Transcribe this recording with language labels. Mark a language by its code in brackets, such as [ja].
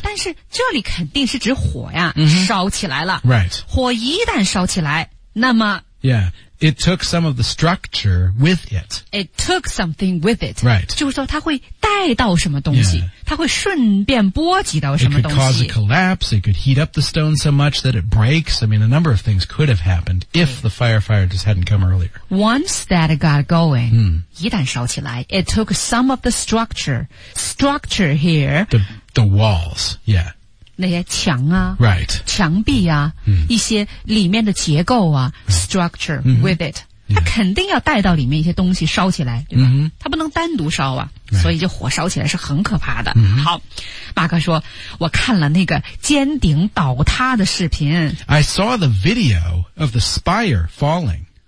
[zh] 但是这里肯定是指火呀、烧起来了。 [en] Right. [zh] 火一旦烧起来那么。 [en] Yeah. It took some of the structure with it. It took something with it. Right. [zh] 就是说它会带到什么东西、 [en] yeah. [zh] 它会顺便波及到什么东西。 [en] It could cause a collapse. It could heat up the stone so much that it breaks. I mean, a number of things could have happened if the firefighter just hadn't come earlier. Once that got going,、 [zh] 一旦烧起来 [en] it took some of the structure. Structure here. The walls. Yeah. [zh] 那些墙啊、 [en] right. [zh] 墙壁啊、一些里面的结构啊、 [en] right. structure、with it、 [zh] 它肯定要带到里面一些东西烧起来，对吧？嗯、它不能单独烧啊，所以这火烧起来是很可怕的。嗯、好，马克说，我看了那个尖顶倒塌的视频。 [en] I saw the video of the spire falling.